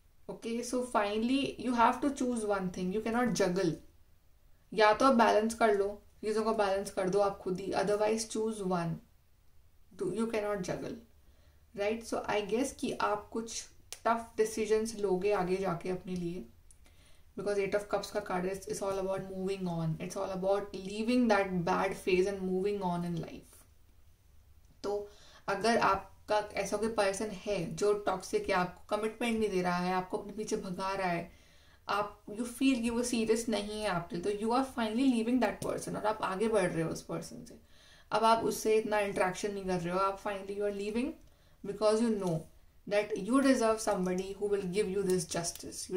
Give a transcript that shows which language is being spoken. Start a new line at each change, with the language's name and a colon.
English: Okay, so finally you have to choose one thing, you cannot juggle.
Hindi: या तो आप balance कर लो, चीज़ों को बैलेंस कर दो आप खुद ही,
English: Otherwise choose one, do you cannot juggle, right. So I guess
Hindi: कि आप कुछ टफ डिसीजंस लोगे आगे जाके अपने लिए,
English: Because Eight of Cups
Hindi: ka
English: card is it's all about moving on. It's all about leaving that bad phase and moving on in life.
Hindi: तो अगर आपका ऐसा कोई पर्सन है जो टॉक्सिक है, आपको कमिटमेंट नहीं दे रहा है, आपको अपने पीछे भगा रहा है, आप
English: you feel
Hindi: कि वो सीरियस नहीं है आपके, तो
English: you are finally leaving that person
Hindi: और आप आगे बढ़ रहे हो उस पर्सन से. अब आप उससे इतना इंट्रैक्शन नहीं कर रहे हो, आप finally
English: You are leaving because you know that you deserve somebody who will give you this justice.